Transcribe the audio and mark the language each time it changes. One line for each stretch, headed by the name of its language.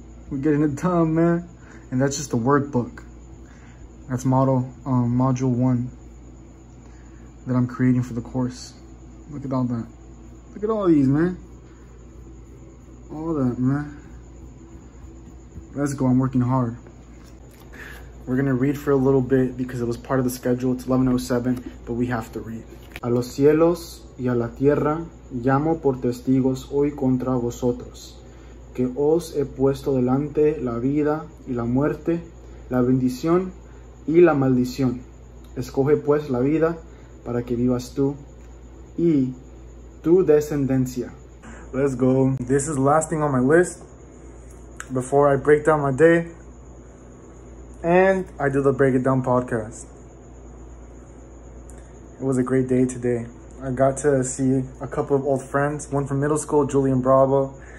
English: We're getting it done, man. And that's just the workbook. That's model, module one that I'm creating for the course. Look at all that. Look at all these, man. All that, man. Let's go, I'm working hard. We're gonna read for a little bit because it was part of the schedule. It's 11:07, but we have to read.
Spanish: A los cielos y a la tierra llamo por testigos hoy contra vosotros, que os he puesto delante la vida y la muerte, la bendición y la maldición. Escoge pues la vida para que vivas tú y tu descendencia.
English: Let's go. This is the last thing on my list before I break down my day and I do the Break It Down podcast. It was a great day today. I got to see a couple of old friends, one from middle school, Julian Bravo.